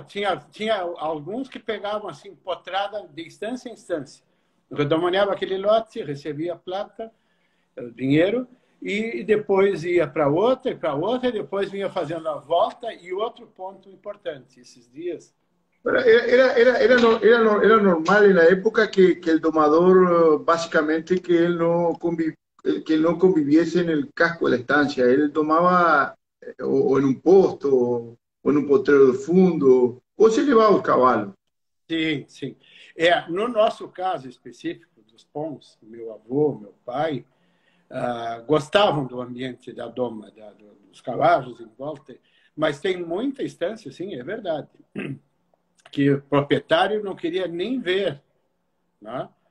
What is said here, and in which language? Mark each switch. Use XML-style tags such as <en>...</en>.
<pt>Tinha alguns que pegavam assim, potrada de estância em estância. Redemoniava aquele lote, recebia a plata, o dinheiro. E depois ia para outra, e depois vinha fazendo a volta. E outro ponto importante, esses dias.</pt> <es>Era normal en la época que el domador, básicamente, que él no conviviese en el casco de la estancia. Él domaba o en un posto o en un potrero de fundo, o se llevaba el caballo.</es> <pt>Sim. É, no nosso caso específico dos Pons, meu avô, meu pai, gostavam do ambiente da doma, dos cavalos em volta, mas tem muita estância, sim, é verdade, que o proprietário não queria nem ver, né?</pt>